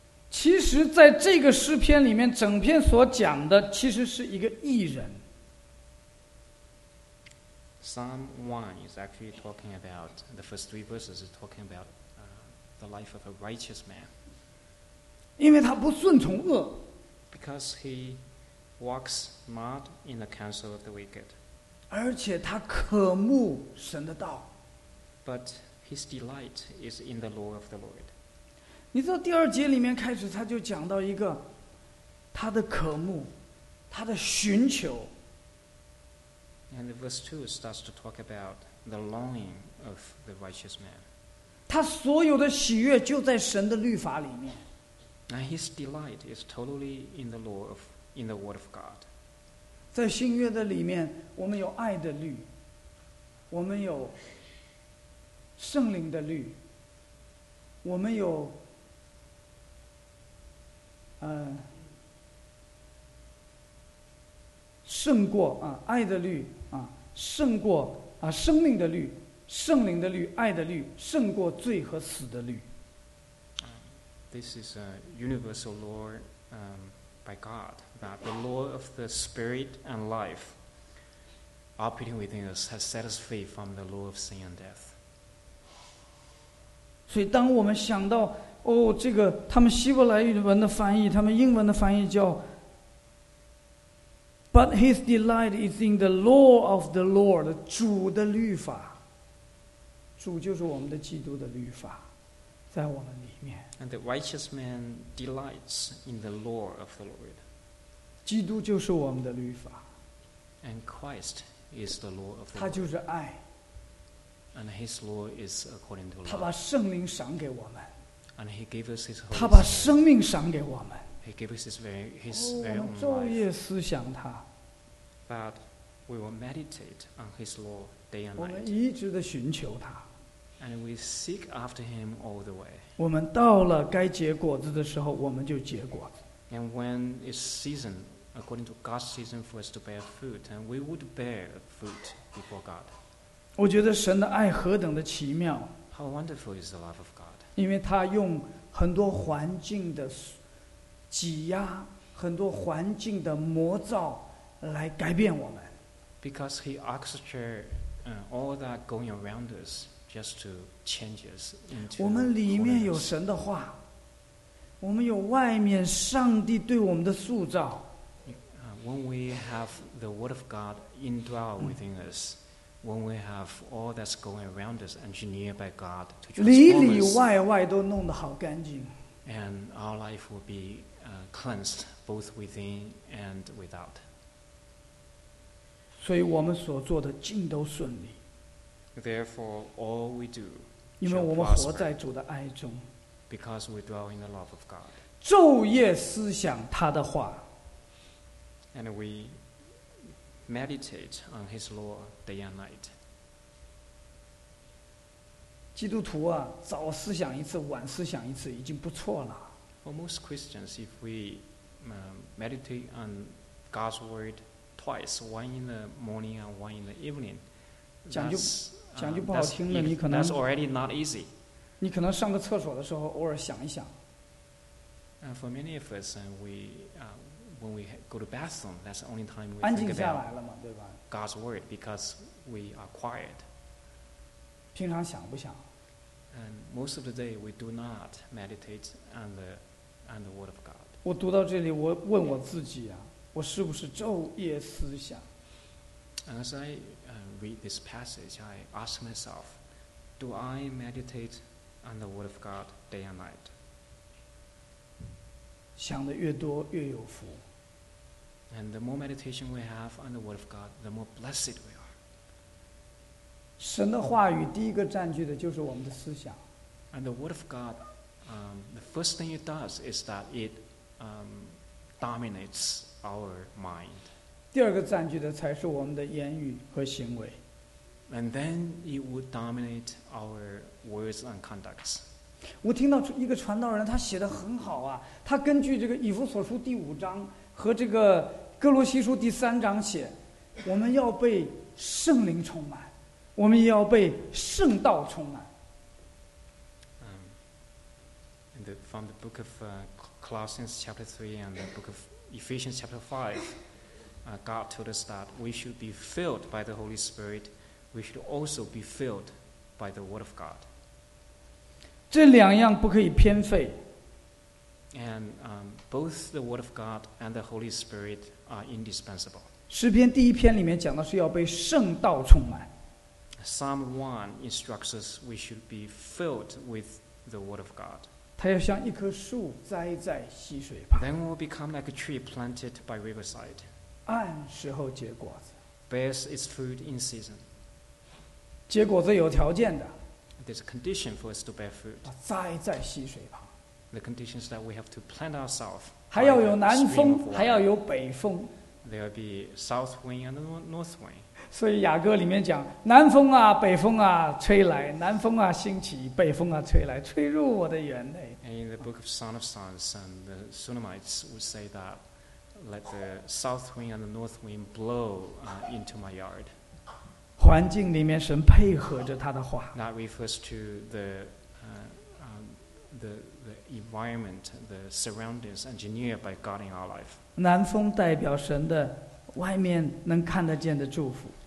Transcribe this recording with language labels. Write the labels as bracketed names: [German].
[Chinese] 其实在这个诗篇里面，整篇所讲的其实是一个义人。 [English] Psalm 1 is actually talking about, the first three verses is talking aboutThe life of a righteous man. [Chinese] 因为他不顺从恶。 [English] Because he walks not in the counsel of the wicked. [Chinese] 而且他渴慕神的道。 [English] But his delight is in the law of the Lord. [Chinese] 你知道第二节里面开始他就讲到一个他的渴慕，他的寻求。 [English] And verse 2 starts to talk about the longing of the righteous man. [Chinese] 他所有的喜悦就在神的律法里面。 [English] And his delight is totally in the law of, in the word of God. [Chinese] 在新约的里面，我们有爱的律，我们有圣灵的律，我们有胜过啊爱的律啊胜过啊生命的律。圣灵的律、爱的律胜过罪和死的律。 [English] This is a universal law by God, that the law of the spirit and life operating within us has set us free from the law of sin and death. [Chinese] 所以当我们想到哦，这个他们希伯来文的翻译，他们英文的翻译叫 [English] But his delight is in the law of the Lord, [Chinese] 主的律法。主就是我们的基督的律法，在我们里面。 [English] And the righteous man delights in the law of the Lord. [Chinese] 基督就是我们的律法。 [English] And Christ is the law of the Lord. [Chinese] 他就是爱。 [English] And his law is according to love. [Chinese] 他把圣灵赏给我们。 [English] And he gave us his Holy [Chinese] Spirit. 他把生命赏给我们。 [English] He gave us his very own life. [Chinese] 昼夜思想他。 [English] But we will meditate on his law. Day and night. [Chinese] 我们一直的寻求他。 [English] And we seek after him all the way. [Chinese] 我们到了该结果子的时候，我们就结果子。 [English] And when it's season, according to God's season for us to bear fruit, and we would bear fruit before God. [Chinese] 我觉得神的爱何等的奇妙。 [English] How wonderful is the love of God? [Chinese] 因为他用很多环境的挤压，很多环境的魔造来改变我们。 [English] Because he orchestrated all that going around us just to change us into. [Chinese] 我们里面有神的话，我们有外面上帝对我们的塑造。 [English] When we have the Word of God indwell within us, when we have all that's going around us engineered by God to transform us, [Chinese] 里里外外都弄得好干净。 [English] And our life will be cleansed both within and without. [Chinese] 所以我们所做的尽都顺利。 [English] Therefore, all we do, [Chinese] 因为我们活在主的爱中。 [English] Because we dwell in the love of God. [Chinese] 昼夜思想他的话。 [English] And we meditate on his law day and night. [Chinese] 基督徒啊，早思想一次，晚思想一次，已经不错了。 [English] Well, most Christians, if we meditate on God's word twice, one in the morning and one in the evening, [Chinese] 讲句不好听的，你可能 [English] that's already not easy. [Chinese] 你可能上个厕所的时候偶尔想一想。 [English] And for many of us, when we go to bathroom, that's the only time we [Chinese] 安静下来了嘛，对吧 [English] ？God's word, because we are quiet. [Chinese] 平常想不想 [English] ？And most of the day, we do not meditate on the word of God. [Chinese] 我读到这里，我问我自己啊，我是不是昼夜思想 [English] ？And as I read this passage, I ask myself, do I meditate on the word of God day and night? [Chinese] 想的越多越有福。 [English] And the more meditation we have on the word of God, the more blessed we are. [Chinese] 神的话语第一个占据的就是我们的思想。 [English] And the word of God, the first thing it does is that it dominates our mind. [Chinese] 第二个占据的才是我们的言语和行为。 [English] And then it would dominate our words and conducts. [Chinese] 我听到一个传道人，他写得很好啊。他根据这个以弗所书第五章和这个哥罗西书第三章写，我们要被圣灵充满，我们也要被圣道充满。 [English] From the book of Colossians chapter 3 and the book of Ephesians chapter 5, God told us that we should be filled by the Holy Spirit, we should also be filled by the Word of God. [Chinese] 这两样不可以偏废。 [English] And both the Word of God and the Holy Spirit are indispensable. [Chinese] 诗篇第一篇里面讲的是要被圣道充满。 [English] Psalm 1 instructs us we should be filled with the Word of God. [Chinese] 它要像一棵树栽在溪水旁。 [English] Then we'll become like a tree planted by riverside. [Chinese] 按时候结果子。 [English] Bears its fruit in season. [Chinese] 结果子有条件的。 [English] There's a condition for us to bear fruit. [Chinese] 栽在溪水旁。 [English] The condition is that we have to plant ourselves. [Chinese] 还要有南风，还要有北风。 [English] There will be south wind and north wind. [Chinese] 所以雅歌里面讲，南风啊，北风啊，吹来；南风啊，兴起；北风啊，吹来，吹入我的园内。 [English] And in the book of Song of Songs, and the Shunammites would say that, let the south wind and the north wind blow into my yard. [Chinese] 环境里面神配合着他的话。 [English] That refers to the environment, the surroundings engineered by God in our life. [Chinese] 南风代表神的外面能看得见的祝福。